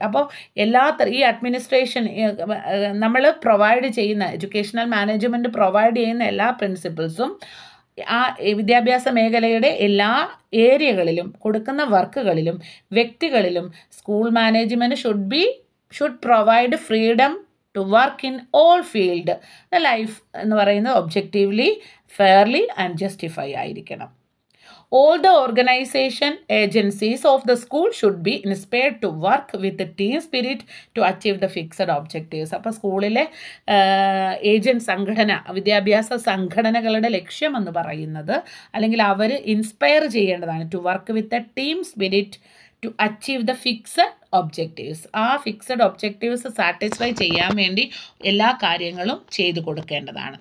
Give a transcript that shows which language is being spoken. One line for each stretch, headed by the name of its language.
Malayalam: അപ്പോൾ ഈ അഡ്മിനിസ്ട്രേഷൻ നമ്മൾ പ്രൊവൈഡ് ചെയ്യുന്ന, എഡ്യൂക്കേഷണൽ മാനേജ്മെൻറ്റ് പ്രൊവൈഡ് ചെയ്യുന്ന എല്ലാ പ്രിൻസിപ്പിൾസും ആ വിദ്യാഭ്യാസ മേഖലയുടെ എല്ലാ ഏരിയകളിലും കൊടുക്കുന്ന വർക്കുകളിലും വ്യക്തികളിലും school management
English: should provide freedom to work in all field the life
Malayalam: എന്ന് പറയുന്നത് ഒബ്ജക്റ്റീവ്ലി, ഫെയർലി ആൻഡ് ജസ്റ്റിഫൈ ആയിരിക്കണം.
English: All the organization agencies of the school should be inspired to work with the team spirit to achieve the fixed objectives.
Malayalam: അപ്പോൾ സ്കൂളിലെ agent സംഘടന, വിദ്യാഭ്യാസ സംഘടനകളുടെ ലക്ഷ്യം എന്ന് പറയുന്നത്, അല്ലെങ്കിൽ അവർ ഇൻസ്പയർ ചെയ്യേണ്ടതാണ്
English: To work with a team spirit to achieve the fixed objectives.
Malayalam: ആ ഫിക്സഡ് ഒബ്ജക്റ്റീവ്സ് സാറ്റിസ്ഫൈ ചെയ്യാൻ വേണ്ടി എല്ലാ കാര്യങ്ങളും ചെയ്തു കൊടുക്കേണ്ടതാണ്.